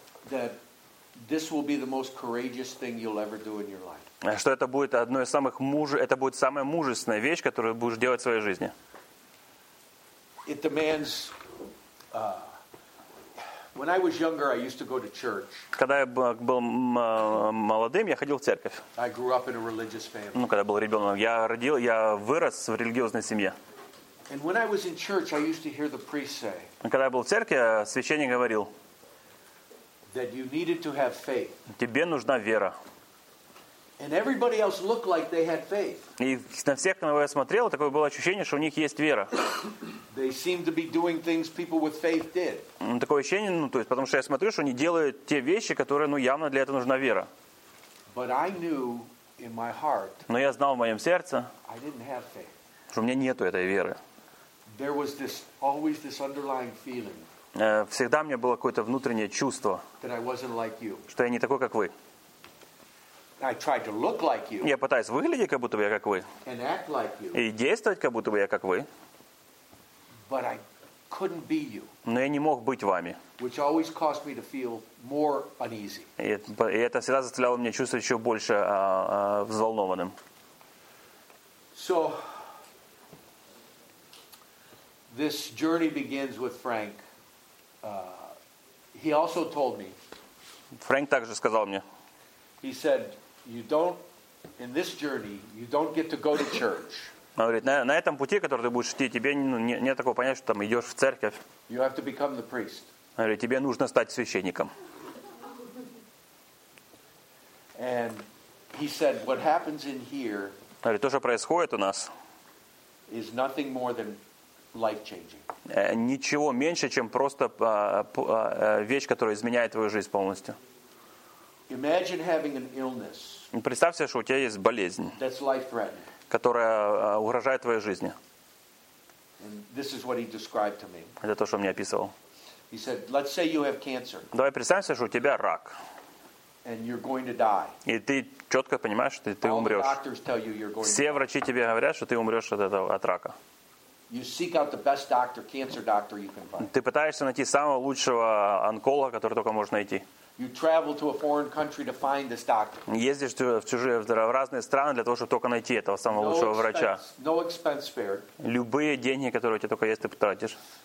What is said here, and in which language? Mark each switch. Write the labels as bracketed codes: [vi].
[en] that this will be the most courageous thing you'll ever do in your life. [ru] Что это будет одно из самых это будет самая мужественная вещь, которую будешь делать в своей жизни. [en] It demands. When I was younger, I used to go to church. [ru] Когда я был молодым, я ходил в церковь. [en] I grew up in a religious family. [ru] Ну, когда был ребенок, я вырос в религиозной семье. [en] And when I was in church, I used to hear the priest say. [ru] Когда я был в церкви, священник говорил. [en] That you needed to have faith. [ru] Тебе нужна вера. [en] And everybody else looked like they had faith. [ru] И на всех, кого я смотрел, такое было ощущение, что у них есть вера. [en] They seemed to be doing things people with faith did. [ru] Такое ощущение, ну то есть, потому что я смотрю, что они делают те вещи, которые, ну явно для этого нужна вера. [en] But I knew in my heart. [ru] Но я знал в моем сердце. [en] I didn't have faith. [ru] Что у меня нету этой веры. [en] There was this always this underlying feeling. [ru] Всегда у меня было какое-то внутреннее чувство. [en] That I wasn't like you. [ru] Что я не такой, как вы. [en] I tried to look like you. [ru] Я пытаюсь выглядеть, как будто бы я как вы. [en] And act like you. [ru] И действовать, как будто бы я как вы. [en] But I couldn't be you. [ru] Но я не мог быть вами. [en] Which always caused me to feel more uneasy. [ru] И это всегда заставляло меня чувствовать еще больше взволнованным. [en] So this journey begins with Frank. He also told me. [ru] Фрэнк также сказал мне. [en] He said, "You don't in this journey. You don't get to go to church." [ru] Он говорит, на этом пути, который ты будешь идти, тебе нет такого понятия, что там идешь в церковь. [en] You have to become the priest. [ru] Он говорит, тебе нужно стать священником. [en] And he said, "What happens in here?" [ru] Он говорит, то, что происходит у нас, [en] is nothing more than life changing. [ru] Ничего меньше, чем просто вещь, которая изменяет твою жизнь полностью. [en] Imagine having an illness. [ru] Представь себе, что у тебя есть болезнь, [en] that's life-threatening, [ru] которая угрожает твоей жизни. [en] And this is what he described to me. [ru] Это то, что он мне описывал. [en] He said, let's say you have cancer. [ru] Давай представь себе, что у тебя рак. [en] And you're going to die. [ru] И ты четко понимаешь, что ты умрешь. [en] All the doctors tell you you're going to die. [ru] Все врачи тебе говорят, что ты умрешь от рака. [en] You seek out the best doctor, cancer doctor you can find. [ru] Ты пытаешься найти самого лучшего онколога, который только можно найти. [en] You travel to a foreign country to find this doctor. [ru] Ездишь в чужие, в разные страны для того, чтобы только найти этого самого лучшего врача. [en] No expense spared. [ru] Любые деньги, которые у тебя только есть, ты потратишь.